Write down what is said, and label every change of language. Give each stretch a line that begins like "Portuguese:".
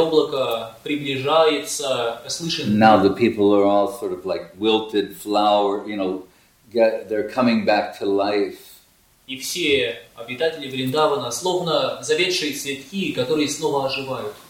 Russian: Это облако приближается, слышен.
English: Now the people are all sort of like wilted flower, you know, they're coming back to life.
Russian: И все обитатели Вриндавана словно заветшие цветки, которые снова оживают.